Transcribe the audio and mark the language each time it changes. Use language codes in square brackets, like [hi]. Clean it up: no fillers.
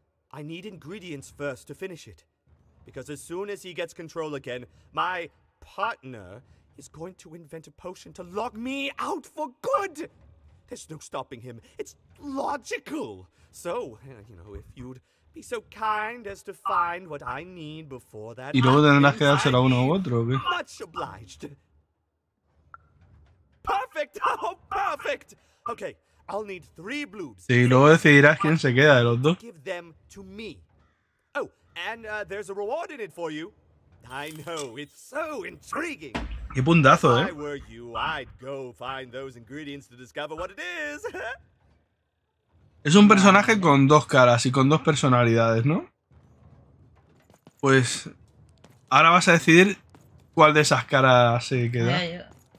[en] I need ingredients first to finish it. Because as soon as he gets control again, my partner is going to invent a potion to lock me out for good! There's no stopping him. It's logical. So, you know, if you'd be so kind as to find what I need before that... [es] ¿Y luego tendrás que dársela uno u otro, o qué? [en] Much obliged. Perfect! Oh, perfect! Okay, I'll need 3 bloobs. [es] Sí, y luego decidirás quién se queda de los dos. [en] Give them to me. Oh, and there's a reward in it for you. I know, it's so intriguing. [es] Qué puntazo, [en] If I were you, I'd go find those ingredients to discover what it is. [es] Es un personaje con dos caras y con dos personalidades, ¿no? Pues ahora vas a decidir cuál de esas caras se queda.